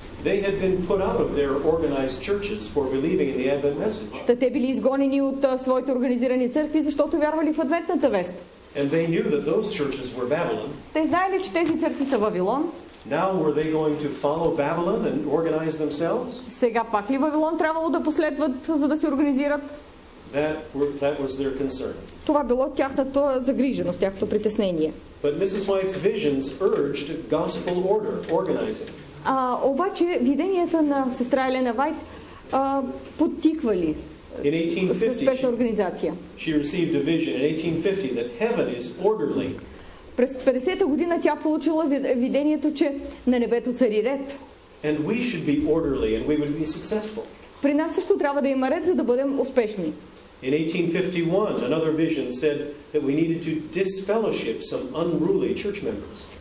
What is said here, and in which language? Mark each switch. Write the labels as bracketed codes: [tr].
[en] They had been put out of their organized churches for believing in the Advent message. [bg] Та те били изгонени от своите организирани църкви, защото вярвали в Адвентната вест. [en] And they knew that those churches were Babylon. [bg] Те знаели, че тези църкви са Вавилон. [en] Now were they going to follow Babylon and organize themselves? [bg] Сега пак ли Вавилон трябвало да последват, за да се организират? [en] That was their concern. [bg] Това било тяхната загриженост, тяхното притеснение. [en] But Mrs. White's visions urged gospel order, organizing. [bg] Обаче виденията на сестра Елена Вайт подтиквали спешна организация. [en] She received a vision in 1850 that heaven is orderly. [bg] През 50-та година тя получила видението, че на небето цари ред. [en] And we should be orderly and we would be successful. [bg] При нас също трябва да има ред, за да бъдем успешни. [en] In 1851, another vision said that we needed to disfellowship some unruly church members.